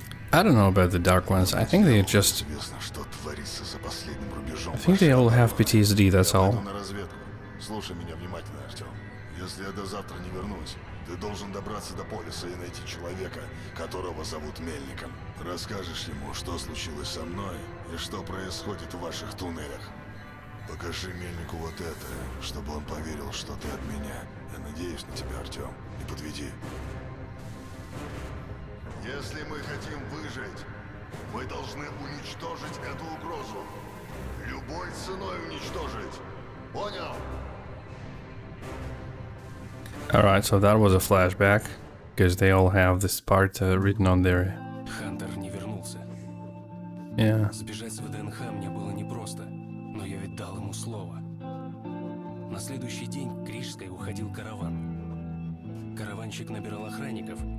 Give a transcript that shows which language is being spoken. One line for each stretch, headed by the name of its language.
English: I don't know about the Dark Ones, I think they just... I think they all have PTSD, that's all.
Russian: Слушай меня внимательно, Артём. Если я до завтра не вернусь, ты должен добраться до полиса и найти человека, которого зовут Мельником. Расскажешь ему, что случилось со мной и что происходит в ваших туннелях. Покажи Мельнику вот это, чтобы он поверил, что ты от меня. Я надеюсь на тебя, Артём. Не подведи. Если мы хотим выжить, мы должны уничтожить эту угрозу. Любой ценой уничтожить. Понял?
English: Alright, so that was a flashback. Because they all have this part written on their...
Russian: Хантер не вернулся.
English: Yeah.
Russian: Сбежать с ВДНХ мне было непросто, но я ведь дал ему слово. На следующий день к Рижской уходил караван. Караванщик набирал охранников.